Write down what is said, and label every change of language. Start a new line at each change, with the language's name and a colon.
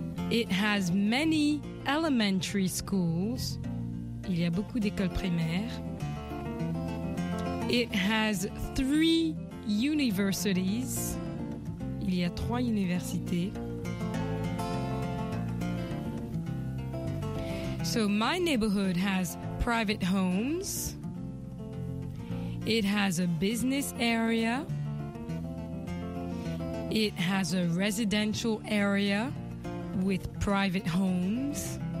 English: It has many elementary schools.
French: Il y a beaucoup d'écoles primaires.
English: It has three universities.
French: Il y a trois universités.
English: So my neighborhood has private homes. It has a business area. It has a residential area with private homes.